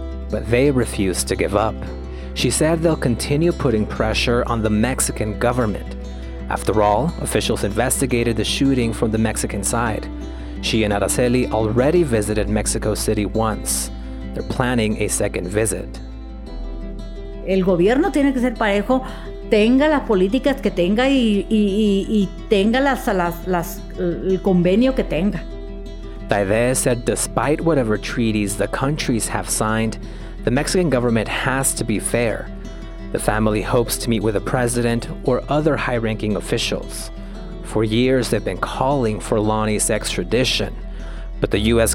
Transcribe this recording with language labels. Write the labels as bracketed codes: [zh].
[en] But they refused to give up. She said they'll continue putting pressure on the Mexican government. After all, officials investigated the shooting from the Mexican side. She and Araceli already visited Mexico City once. They're planning a second visit. [es] El gobierno tiene que ser parejo, tenga las políticas que tenga y tenga las el convenio que tenga. [en] Taide said despite whatever treaties the countries have signed, the Mexican government has to be fair. The family hopes to meet with the president or other high-ranking officials. For years, they've been calling for Lonnie's extradition, but the U.S.